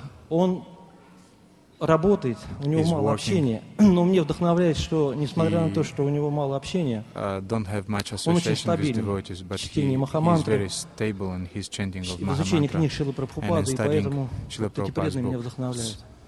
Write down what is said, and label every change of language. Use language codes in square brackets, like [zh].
[ru] Он работает, у него мало общения, но мне вдохновляет, что, несмотря на то, что у него мало общения, [en] don't have much association with devotees, but he's very stable in his chanting of Mahamantra. [ru] Изучение книг Шрилы Прабхупады, и поэтому эти преданные меня вдохновляют.